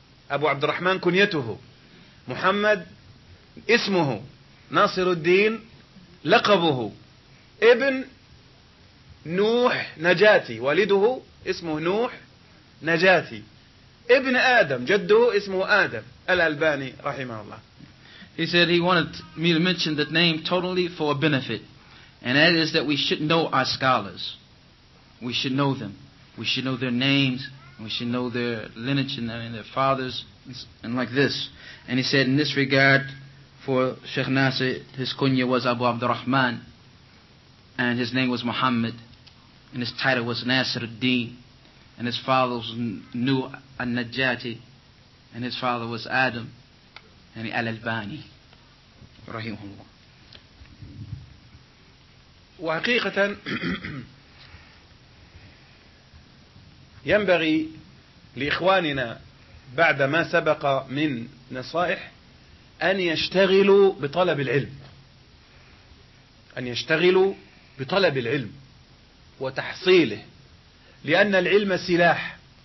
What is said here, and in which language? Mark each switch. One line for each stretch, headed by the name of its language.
Arabic: أبو عبد الرحمن كنيته محمد اسمه ناصر الدين لقبه ابن نوح نجاتي والده اسمه نوح نجاتي ابن آدم جده اسمه آدم الألباني رحمه الله.
English: He said he wanted me to mention that name totally for a benefit, and that is that we should know our scholars. We should know them. We should know their names. We should know their lineage and their fathers and like this. And he said, in this regard, for Sheikh Nasir, his kunya was Abu Abd al-Rahman, and his name was Muhammad, and his title was Nasir al-Din, and his father was Nuh al-Najati, and his father was Adam, and al-Albani, rahimahullah.
Arabic: وحقيقةً ينبغي لإخواننا بعد ما سبق من نصائح أن يشتغلوا بطلب العلم وتحصيله لأن العلم سلاح